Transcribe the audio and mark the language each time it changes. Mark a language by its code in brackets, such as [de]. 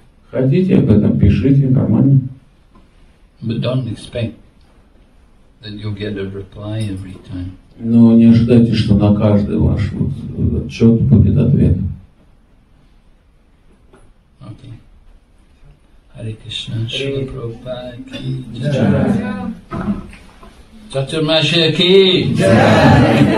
[ru] Хотите об этом, пишите, нормально. [en] But don't expect that you'll get a reply every time. [ru] Но не ожидайте, что на каждый ваш вот отчет будет ответ. [en] Okay. Hare Krishna, Srila Prabhupada ki jai. [hi] Chaturmasya ki jai.